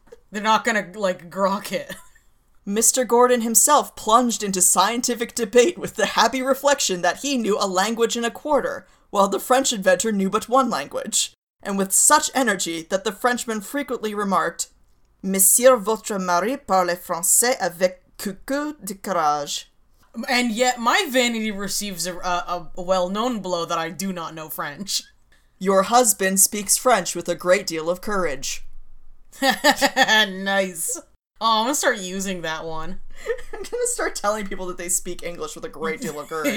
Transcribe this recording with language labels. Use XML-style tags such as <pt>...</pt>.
<en>They're not gonna, like, grok it. Mr. Gordon himself plunged into scientific debate with the happy reflection that he knew a language and a quarter, while the French inventor knew but one language, and with such energy that the Frenchman frequently remarked,</en> <fr>Monsieur votre mari parle français avec coucou de courage.</fr> <en>And yet my vanity receives a well-known blow that I do not know French. Your husband speaks French with a great deal of courage. Nice. Oh, I'm gonna start using that one. I'm gonna start telling people that they speak English with a great deal of courage.</en>